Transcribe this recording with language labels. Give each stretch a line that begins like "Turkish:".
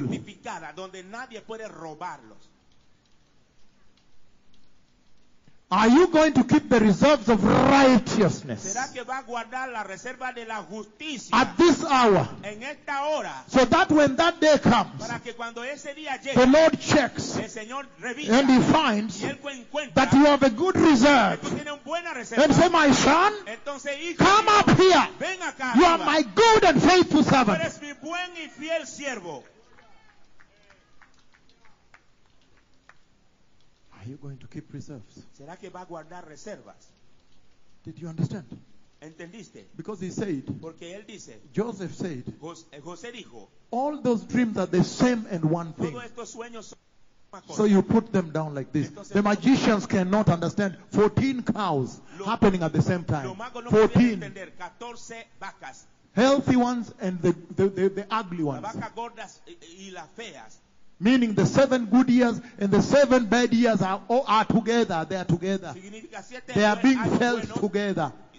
Spanish: Fortificada, donde nadie puede robarlos.
English: Are you going to keep the reserves of righteousness?
Spanish: ¿Será que va a guardar la reserva de la justicia?
English: At this hour.
Spanish: En esta hora.
English: So that when that day comes.
Spanish: Para que cuando ese día llegue.
English: The Lord checks.
Spanish: El Señor revisa.
English: And he finds.
Spanish: Y él encuentra.
English: That you have a good reserve.
Spanish: Que tiene una buena reserva.
English: And say, my son.
Spanish: Entonces, hijo,
English: come up here.
Spanish: Ven acá,
English: you are my good and faithful servant.
Spanish: Tú eres mi buen y fiel siervo.
English: Are you going to keep reserves?
Spanish: ¿Será que va a guardar reservas?
English: Did you understand?
Spanish: ¿Entendiste?
English: Because he said,
Spanish: porque él dice,
English: Joseph said,
Spanish: José dijo,
English: all those dreams are the same and one thing.
Spanish: Todos estos sueños son
English: so you put them down like this.
Spanish: Entonces,
English: the magicians cannot understand 14 cows happening at the same time.
Spanish: 14. 14 vacas.
English: Healthy ones and the ugly ones.
Spanish: La vaca gordas y las feas.
English: Meaning the 7 good years and the 7 bad years are together. They are together. They are being felt together.